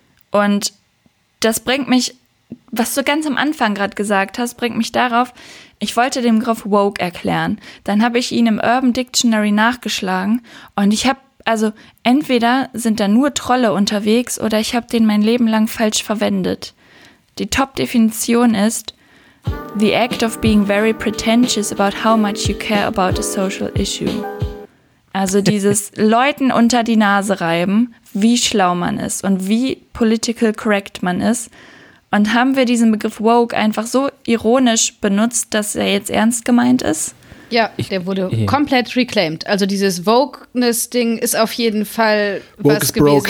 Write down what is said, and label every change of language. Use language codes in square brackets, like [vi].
[de] Und das bringt mich, was du ganz am Anfang gerade gesagt hast, bringt mich darauf, ich wollte den Begriff woke erklären. Dann habe ich ihn im Urban Dictionary nachgeschlagen und ich habe, also entweder sind da nur Trolle unterwegs oder ich habe den mein Leben lang falsch verwendet. Die Top-Definition ist [en] the act of being very pretentious about how much you care about a social issue. [de] Also dieses Leuten unter die Nase reiben, wie schlau man ist und wie political correct man ist. Und haben wir diesen Begriff woke einfach so ironisch benutzt, dass er jetzt ernst gemeint ist? Ja, der wurde komplett reclaimed. Also dieses Wokeness-Ding ist auf jeden Fall woke was gewesen broke.